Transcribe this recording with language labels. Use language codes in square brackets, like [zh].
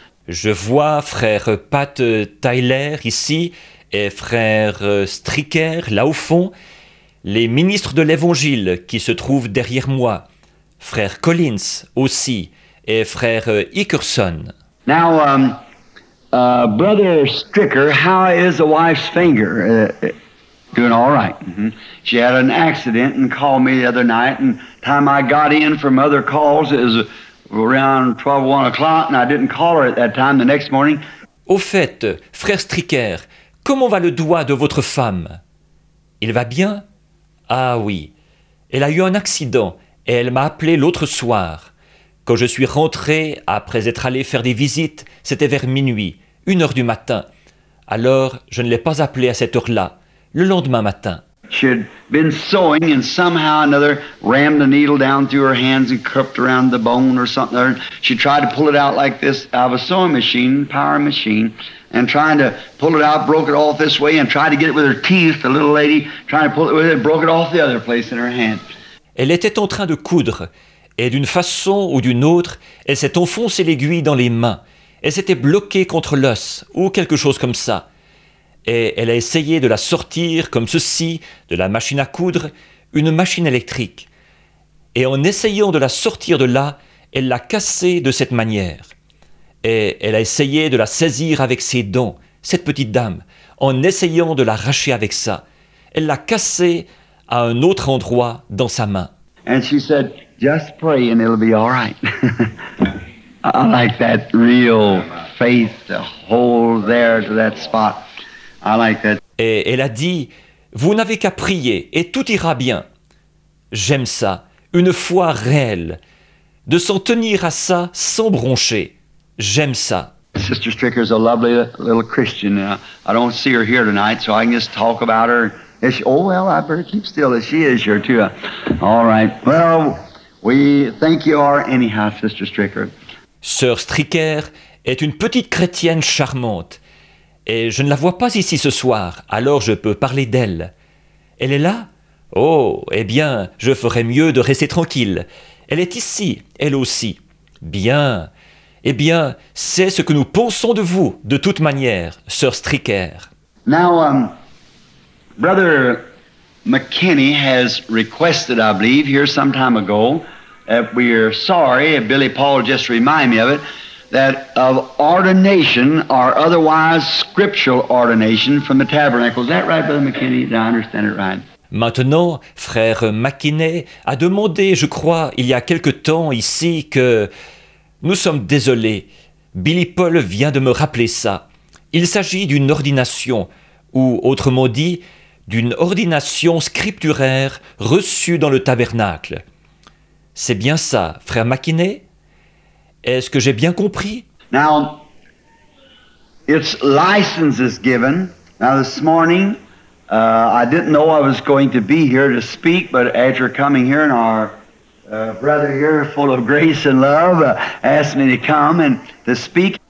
[fr] Je vois frère Pat Tyler ici et frère Stricker là au fond, les ministres de l'Évangile qui se trouvent derrière moi, frère Collins aussi et frère Hickerson. [en] Now, brother Stricker, how is the wife's finger? Doing all right. Mm-hmm. She had an accident and called me the other night, and time I got in from other calls is around 12, 1 o'clock, and I didn't call her at that time the next morning. [fr] Au fait, frère Stricker, comment va le doigt de votre femme? Il va bien? Ah oui. Elle a eu un accident et elle m'a appelé l'autre soir. Quand je suis rentré, après être allé faire des visites, c'était vers minuit, 1h du matin. Alors, je ne l'ai pas appelé à cette heure-là, le lendemain matin. [en] She had been sewing and somehow another rammed the needle down through her hands and crept around the bone or something. Or she tried to pull it out like this out of a sewing machine, power machine, and trying to pull it out, broke it off this way and tried to get it with her teeth, the little lady, trying to pull it with it, broke it off the other place in her hand. [fr] Elle était en train de coudre et d'une façon ou d'une autre, elle s'est enfoncée l'aiguille dans les mains. Elle s'était bloquée contre l'os ou quelque chose comme ça. Et elle a essayé de la sortir comme ceci, de la machine à coudre, une machine électrique. Et en essayant de la sortir de là, elle l'a cassée de cette manière. Et elle a essayé de la saisir avec ses dents, cette petite dame, en essayant de l'arracher avec ça. Elle l'a cassée à un autre endroit dans sa main. [en] And she said, just pray and it'll be all right. I like that real faith to hold there to that spot. I like that. [fr] Et elle a dit, vous n'avez qu'à prier et tout ira bien. J'aime ça, une foi réelle, de s'en tenir à ça sans broncher. J'aime ça. [en] Sister Stricker is a lovely little Christian. I don't see her here tonight, so I can just talk about her. I better keep still. She is here too. All right. Well, we thank you are anyhow, Sister Stricker. [fr] Sœur Stricker est une petite chrétienne charmante. Et je ne la vois pas ici ce soir, alors je peux parler d'elle. Elle est là? Oh, eh bien, je ferais mieux de rester tranquille. Elle est ici, elle aussi. Bien. Eh bien, c'est ce que nous pensons de vous, de toute manière, Sœur Stricker. [en] Now, Brother McKinney has requested, I believe, here some time ago, that we are sorry, Billy Paul just reminded me of it, that of ordination or otherwise scriptural ordination from the tabernacle. Is that right, Brother McKinney? Do I understand it right? [fr] Maintenant, frère McKinney a demandé, je crois, il y a quelque temps ici que... Nous sommes désolés. Billy Paul vient de me rappeler ça. Il s'agit d'une ordination, ou autrement dit, d'une ordination scripturaire reçue dans le tabernacle. C'est bien ça, frère McKinney? Est-ce que j'ai bien compris? [en] Now, its license is given. Now, this morning, I didn't know I was going to be here to speak, but after coming here and our brother here, full of grace and love, asked me to come and to speak.